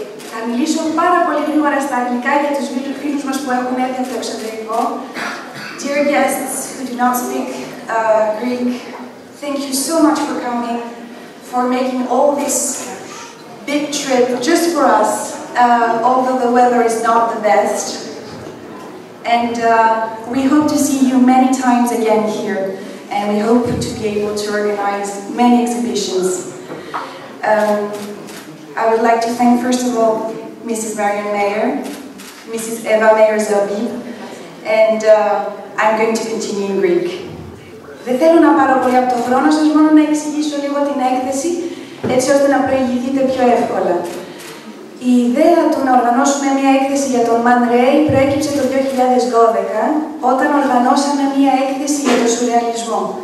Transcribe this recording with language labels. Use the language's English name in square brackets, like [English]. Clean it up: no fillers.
[Greek] Θα μιλήσω πάρα πολύ γρήγορα στα αγγλικά για τους φίλους μας που έχουν έρθει από το εξωτερικό. [English] Dear guests who do not speak Greek, thank you so much for coming, for making all this big trip just for us. Although the weather is not the best. And we hope to see you many times again here, and we hope to be able to organize many exhibitions. I would like to thank, first of all, Mrs. Marion Mayer, Mrs. Eva Mayer-Zobi, and I'm going to continue in Greek. [Greek] Δεν θέλω να πάρω πολύ από το χρόνο σας, μόνο να εξηγήσω λίγο την έκθεση, έτσι ώστε να προηγηθείτε πιο εύκολα. Η ιδέα του να οργανώσουμε μια έκθεση για τον Μαντρέλ προέκυψε το 2012, όταν οργανώσαμε μια έκθεση για τον σουρεαλισμό.